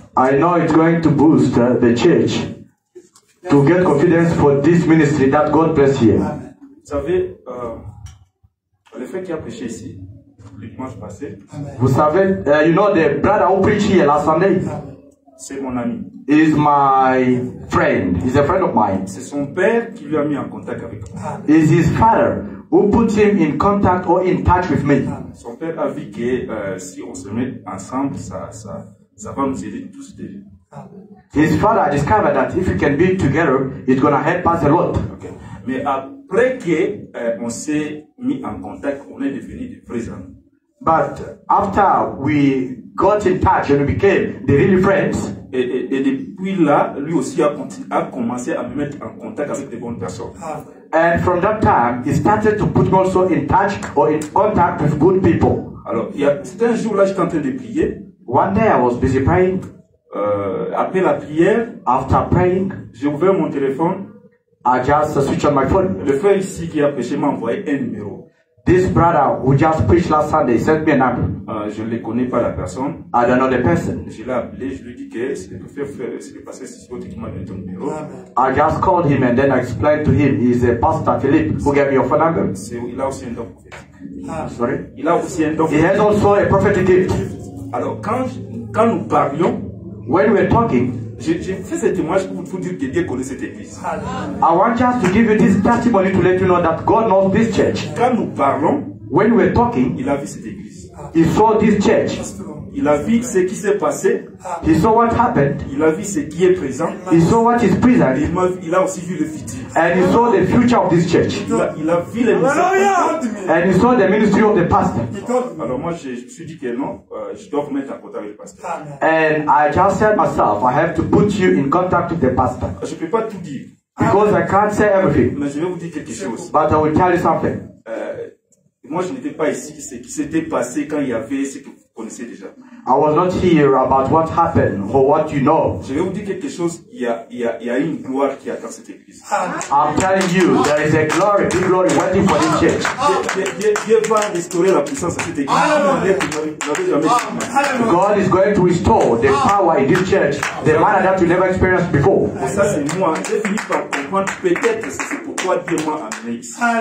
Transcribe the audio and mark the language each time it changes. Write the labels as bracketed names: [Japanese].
[English] I know it's going to boost the church to get confidence for this ministry that God bless here. Amen. [French] Vous savez, le fait qu'il y a prêché ici, dimanche passé, vous savez, [English] you know, the brother who preached here last Sunday, [French] c'est mon ami. [English] He is my friend. He's a friend of mine. [French] C'est son père qui lui a mis en contact avec moi. [English] It's his father who put him in contact or in touch with me. [French] Son père a vu que si on se met ensemble, ça va nous aider tous deux. [English] His father discovered that if we can be together, it's going to help us a lot. Okay. [French] Mais après que on s'est mis en contact, on est devenu des vrais amis. [English] But after we got in touch and we became the real friends, [French] et depuis là, lui aussi a commencé à me mettre en contact avec des bonnes personnes. [English] And from that time, he started to put me also in touch or in contact with good people. [French] Alors, c'était un jour là, j'étais en train de prier. [English] One day I was busy praying. [French] Après la prière, [English] after praying, [French] j'ai ouvert mon téléphone. [English] I just switched on my phone. [French] Le frère ici qui a prêché m'a envoyé un numéro. [English] This brother who just preached last Sunday sent me a number. [French] Je ne connais pas la personne. [English] I don't know the person. [French] Je l'ai appelé, je lui dis que c'est le frère, c'est le pasteur Sissoko qui m'a donné ton numéro. [English] I just called him and then I explained to him he's a pastor Philippe who gave me your phone number. [French] Il a aussi un don prophétique. [English] Sorry. [French] Il a aussi un don. [English] He has also a prophetic gift. [French] Alors quand nous parlions, [English] when we're talking, [French] j'ai fait ce témoignage pour vous dire que Dieu connaît cette église. [English] I want just to give you this testimony to let you know that God knows this church. [French] Quand nous parlons, [English] when we're talking, [French] il a vu cette église. [English] He saw this church. [French] Il a vu ce qui s'est passé. [English] He saw what happened. [French] Il a vu ce qui est présent. [English] He saw what is present. [French] Il a aussi vu le futur. [English] And he saw the future of this church. [French] Il a vu les ministères. [English] And he saw the ministry of the pastor. [French] Alors moi je me suis dit que non, je dois vous mettre en contact avec le pasteur. [English] And I just said myself, I have to put you in contact with the pastor. [French] Je peux pas tout dire. [English] Because I can't say everything. [French] Mais je vais vous dire quelque chose. [English] But I will tell you something. [French] Moi je n'étais pas ici, ce qui s'était passé quand il y avait ce que vous connaissez déjà. [English] I was not here about what happened or what you know. [French] Je vais vous dire quelque chose, il y a une gloire qui attend cette église. [English] I'm telling you, there is a glory, big glory waiting for this church. [French] Dieu va restaurer la puissance à cette église. [English] God is going to restore the power in this church, the manner that you never experienced before. [French] Et ça c'est moi, j'ai fini par comprendre peut-être c'est pourquoi Dieu m'a amené ici.